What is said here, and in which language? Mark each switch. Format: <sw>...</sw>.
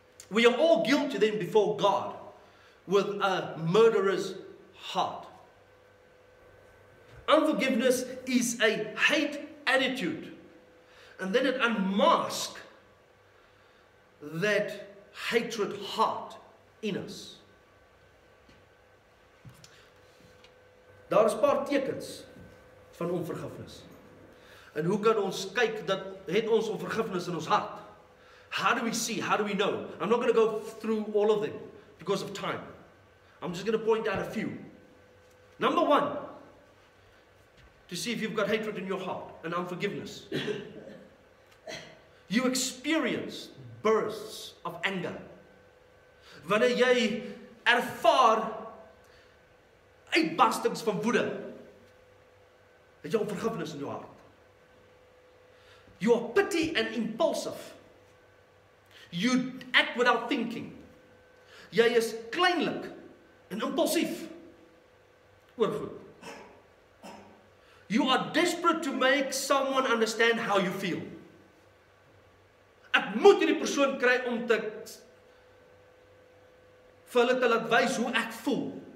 <en>We are all guilty then before God with a murderer's heart. Unforgiveness is a hate attitude. And then it unmasks that hatred heart in us.</en> <af>Daar is paar tekens van onvergifnis. En hoe kan ons kyk dat het ons onvergifnis in ons hart?</af> <en>How do we see? How do we know? I'm not going to go through all of them because of time. I'm just going to point out a few. Number one, to see if you've got hatred in your heart and unforgiveness. You experience bursts of anger.</en> <af>Wanneer jy ervaar uitbarstings van woede, het jy onvergifnis in jou hart.</af> <en>You are petty and impulsive. You act without thinking.</en> <af>Jy is kleinlik en impulsief. Oorgoed.</af> <en>You are desperate to make someone understand how you feel.</en> <af>Ek moet hierdie persoon kry om te vir hulle te laat wys hoe ek voel.</af>